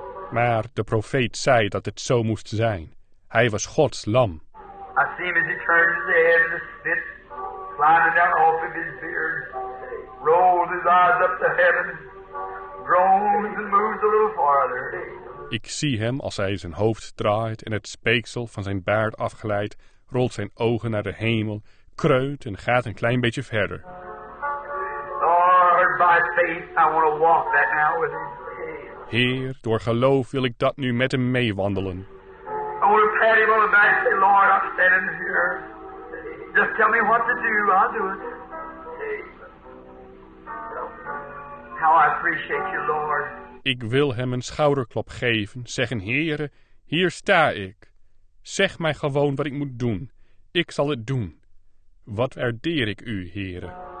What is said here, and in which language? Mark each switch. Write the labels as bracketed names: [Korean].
[Dutch] Maar de profeet zei dat het zo moest zijn. Hij was Gods lam. [English] I see him as he turned his head and the spit sliding down off of his beard. Rolled his eyes up to heaven. Groans and moves a little farther. [Dutch] Ik zie hem als hij zijn hoofd draait en het speeksel van zijn baard afglijdt, rolt zijn ogen naar de hemel, kreunt en gaat een klein beetje verder. [English] Lord, by faith, I want to walk that now with him. [Dutch] Heer, door geloof wil ik dat nu met hem meewandelen. [English] I want to pat him on the back and say, Lord, I'm standing here. Just tell me what to do, I'll do it. How I appreciate you, Lord. [Dutch] Ik wil hem een schouderklop geven, zeggen, Heere, hier sta ik. Zeg mij gewoon wat ik moet doen. Ik zal het doen. Wat waardeer ik u, Heere?